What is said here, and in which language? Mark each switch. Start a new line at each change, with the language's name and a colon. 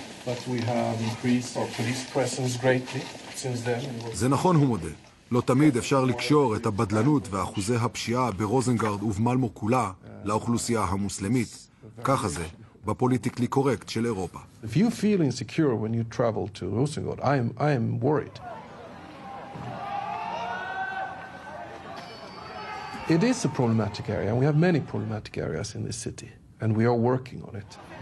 English: But we have increased our police presence greatly since then.
Hebrew: זה נכון, הוא מודה. לא תמיד אפשר לקשור את הבדלנות ואחוזי הפשיעה ברוזנגרד ובמלמו כולה לאוכלוסייה המוסלמית. ככה זה בפוליטיקלי קורקט של אירופה.
English: If you feel insecure when you travel to Rosengård, I am worried. It is a problematic area, and we have many problematic areas in this city, and we are working on it.